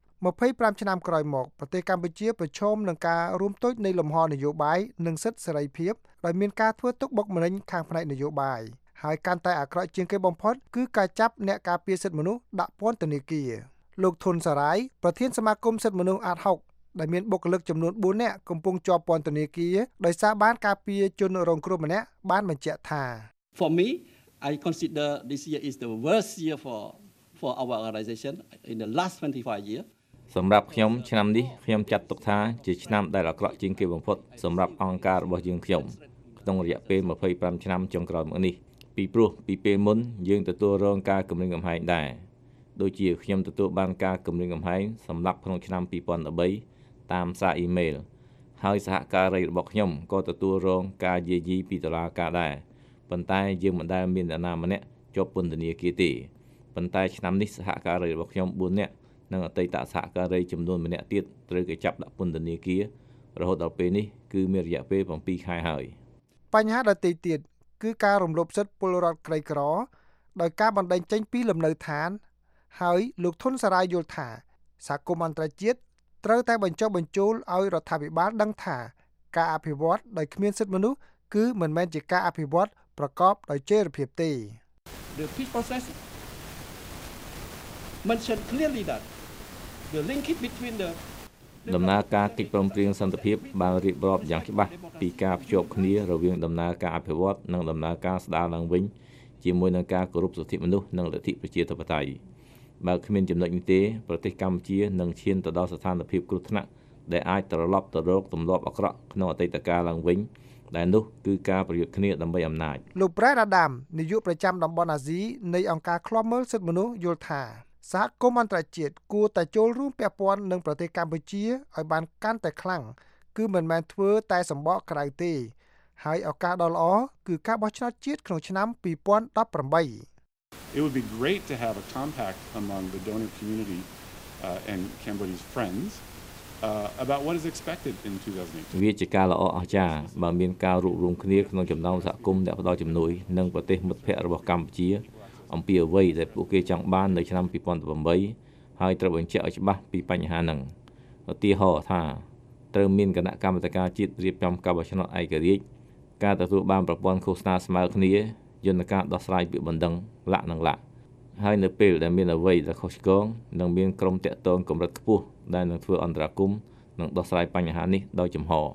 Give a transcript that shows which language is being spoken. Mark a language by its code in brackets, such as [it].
[km] 25ឆ្នាំក្រោយមកប្រទេសកម្ពុជាប្រឈមនឹងការរួមតូចនៃលំហនយោបាយនិងសិទ្ធិសេរីភាពដោយមានការធ្វើទុកបុកម្នេញខាងផ្នែកនយោបាយហើយកាន់តែអាក្រក់ជាងគេបំផុតគឺការចាប់អ្នកការពារសិទ្ធិមនុស្សដាក់ពន្ធនាគារលោកធុនសារាយប្រធានសមាគមសិទ្ធិមនុស្សអាត60ដែលមានបុគ្គលិកចំនួន4នាក់កំពុងជាប់ពន្ធនាគារដោយសារបានការពារជនរងគ្រោះម្នាក់បានបញ្ជាក់ថា [en] For me I consider this year is the worst year for our organization in the last 25 years [km] សម្រាប់ខ្ញុំឆ្នាំនេះខ្ញុំចាត់ទុកថាជាឆ្នាំដែលអាក្រក់ជាងគេបំផុតសម្រាប់អង្គការរបស់យើងខ្ញុំក្នុងរយៈពេល25ឆ្នាំចុងក្រោយមកនេះពីព្រោះពីពេលមុនយើងទទួលរងការគំរាមកំហែងដែរដូចជាខ្ញុំទទួលបានការគំរាមកំហែងសម្រាប់ក្នុងឆ្នាំ2013តាមសារអ៊ីមែលហើយសហការីរបស់ខ្ញុំក៏ទទួលរងការយាយីពីតុលាការដែរ ប៉ុន្តែយើងមិនដែលមានអ្នកណាម្នាក់ជាប់ពន្ធនាគារទេប៉ុន្តែឆ្នាំនេះសហការីរបស់ខ្ញុំ4នាក់និងអតីតសហការីចំនួនម្នាក់ទៀតត្រូវគេចាប់ដាក់ពន្ធនាគាររហូតដល់ពេលនេះគឺមានរយៈពេល7ខែហើយ បញ្ហាដទៃទៀតគឺការរំលោភសិទ្ធិពលរដ្ឋក្រីក្រដោយការបណ្តេញចេញពីលំនៅឋានហើយលោកធុនសារាយយល់ថាសហគមន៍អន្តរជាតិត្រូវតែបញ្ចុះបញ្ជូលឲ្យរដ្ឋាភិបាលដឹងថាការអភិវឌ្ឍដោយគ្មានសិទ្ធិមនុស្សគឺមិនមែនជាការអភិវឌ្ឍប្រកបដោយចីរភាពទេ [en] The peace process mentioned clearly that the link between the [km] ដំណើរការកិច្ចព្រមព្រៀងសន្តិភាពបានរៀបរាប់យ៉ាងច្បាស់ពីការភ្ជាប់គ្នារវាងដំណើរការអភិវឌ្ឍនិងដំណើរការស្ដារឡើងវិញជាមួយនឹងការគោរពសិទ្ធិមនុស្សនិងលទ្ធិប្រជាធិបតេយ្យបើគ្មានចំណុចនេះទេប្រទេសកម្ពុជានឹងឈានទៅដល់ស្ថានភាពគ្រោះថ្នាក់ដែលអាចត្រឡប់ទៅរកទម្លាប់អាក្រក់ក្នុងអតីតកាលឡើងវិញដែលនោះគឺការប្រយុទ្ធគ្នាដើម្បីអំណាច លោកប្រែតអាដាមនាយកប្រចាំតំបន់អាស៊ីនៃអង្គការឃ្លាំមើលសិទ្ធិមនុស្សយល់ថាសហគមន៍អន្តរជាតិគួរតែចូលរួមពាក់ព័ន្ធនឹងប្រទេសកម្ពុជាឲ្យបានកាន់តែខ្លាំងគឺមិនមែនធ្វើតែសម្បកក្រៅទេហើយឱកាសដ៏ល្អគឺការបោះឆ្នោតជាតិក្នុងឆ្នាំ2018 [en] It would be great to have a compact among the donor community and Cambodia's friends about what is expected in 2018 [km] វាជាការល្អអស្ចារ្យបើមានការរួមរងគ្នាក្នុងចំណោមសហគមន៍អ្នកផ្ដល់ជំនួយនិងប្រទេសមិត្តភ័ក្តិរបស់កម្ពុជាអំពីអ្វីដែលពួកគេចង់បាននៅឆ្នាំ2018ហើយត្រូវបញ្ជាក់ឲ្យច្បាស់ពីបញ្ហាហ្នឹងឧទាហរណ៍ថា ត្រូវមានគណៈកម្មាធិការជាតិរៀបចំការបោះឆ្នោតឯករាជ្យការទទួលបានប្រព័ន្ធឃោសនាស្មើគ្នាយន្តការដោះស្រាយពាក្យបណ្ដឹងលាក់នឹងលាក់ហើយនៅពេលដែលមានអ្វីដែលខុសឆ្គងនឹងមានក្រុមតាក់ទងកម្រិតខ្ពស់ដែលនឹងធ្វើអន្តរាគមន៍និងដោះស្រាយបញ្ហានេះដោយចំហ